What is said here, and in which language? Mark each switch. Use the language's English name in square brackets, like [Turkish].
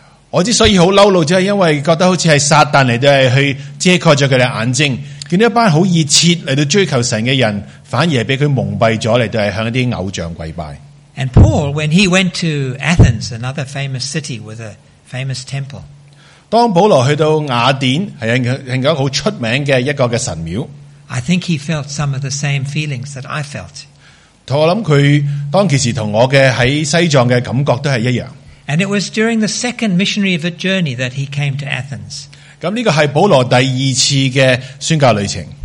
[Cantonese] 我之所以好嬲怒，就系因为觉得好似系撒旦嚟到去遮盖咗佢哋眼睛，见到一班好热切嚟到追求神嘅人，反而系俾佢蒙蔽咗嚟到系向一啲偶像跪拜。 [English] And Paul, when he went to Athens, another famous city with a famous temple. [Cantonese] 当保罗去到雅典，系另一个好出名嘅一个嘅神庙。 [English] I think he felt some of the same feelings that I felt. [Cantonese] 我谂佢当其时同我嘅喺西藏嘅感觉都系一样。 [English] And it was during the second missionary of a journey that he came to Athens. [Cantonese] 咁呢个系保罗第二次嘅宣教旅程。